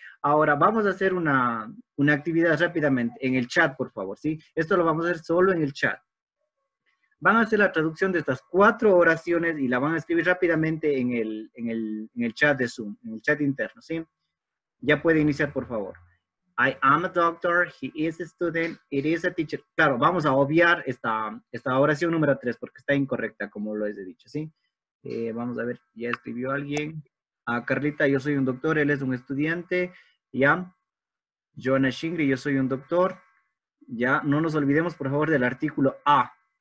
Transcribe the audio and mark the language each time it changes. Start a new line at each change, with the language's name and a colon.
Spanish: Ahora, vamos a hacer una actividad rápidamente en el chat, por favor, ¿sí? Esto lo vamos a hacer solo en el chat. Van a hacer la traducción de estas 4 oraciones y la van a escribir rápidamente en el chat de Zoom, en el chat interno, ¿sí? Ya puede iniciar, por favor.
English: I am a doctor, he is a student, it is a teacher.
Spanish: Claro, vamos a obviar esta oración número 3 porque está incorrecta, como lo he dicho, ¿sí? Vamos a ver, ya escribió alguien. Carlita, yo soy un doctor, él es un estudiante. Ya. Joana Shingri, yo soy un doctor. Ya, no nos olvidemos, por favor, del artículo A.